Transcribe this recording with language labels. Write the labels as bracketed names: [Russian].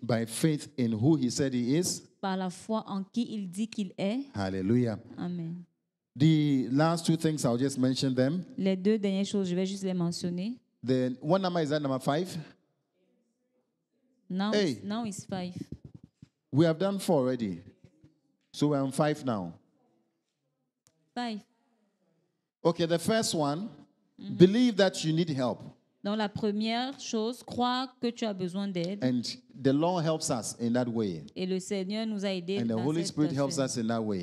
[English] By faith in who he said he is. [French] Par la foi en qui il dit qu'il est. [English] Hallelujah. Amen. The last two things, I'll just mention them. [French] Les deux dernières choses, je vais juste les mentionner. [English] Then, what number is that, number 5? Now it's 5. We have done 4 already. So we're on 5 now. 5. Okay, the first one, mm-hmm. Believe that you need help. [French] Donc la première chose, crois que tu as besoin d'aide. [English] And the Lord helps us in that way. [French] Et le Seigneur nous a aidés. [English] And the Holy Spirit helps us in that way.